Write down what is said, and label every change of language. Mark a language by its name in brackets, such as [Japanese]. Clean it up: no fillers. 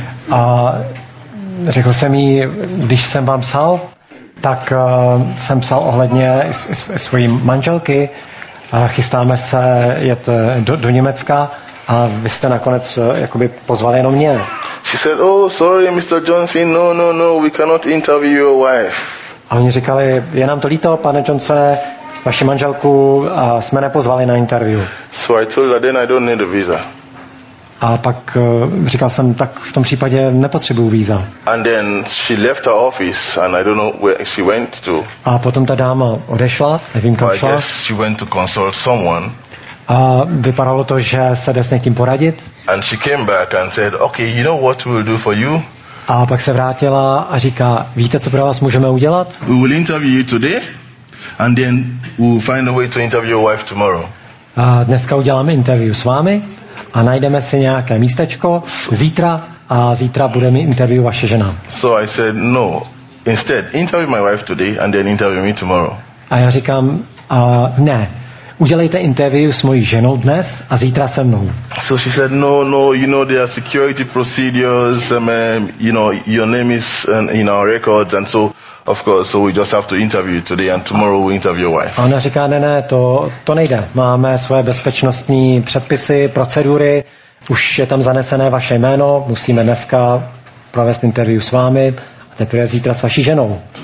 [Czech] A řekl jsem jí, když jsem vám psal, tak jsem psal ohledně svojí manželky. Chystáme se jet do Německa a vy jste nakonec jakoby pozvali jenom mě. [English] She said, oh, sorry, Mr. Johnson, no, we cannot interview your wife. [Czech] A oni říkali, je nám to líto, pane Johnson, vaši manželku jsme nepozvali na interview. [English] So I told her, then I don't need a visa. [Czech] A pak říkal jsem, tak v tom případě nepotřebuju víza. [English] And then she left her office and I don't know where she went to. [Czech] A potom ta dáma odešla, nevím kam šla. [English] I guess she went to consult someone. [Czech] A vypadalo to, že se jde s někým poradit. [English] And she came back and said, okay, you know what we'll do for you? [Czech] A pak se vrátila a říká, víte, co pro vás můžeme udělat? [English] We will interview you today and then we'll find a way to interview your wife tomorrow. [Czech] A dneska uděláme interview s vámi. A najdeme si nějaké místečko zítra a zítra bude mi interview vaše žena. [English] So I said no. Instead, interview my wife today and then interview me tomorrow. [Czech] A já říkám, ne. Udělejte interview s mojí ženou dnes a zítra se mnou. [English] So she said no, you know there are security procedures, you know your name is in our records and so of course, so we just have to interview today and tomorrow we interview your wife. [Czech] A ona říká, ne, to nejde. Máme svoje bezpečnostní předpisy, procedury, už je tam zanesené vaše jméno, musíme dneska provést interview s vámi a teprve zítra s vaší ženou.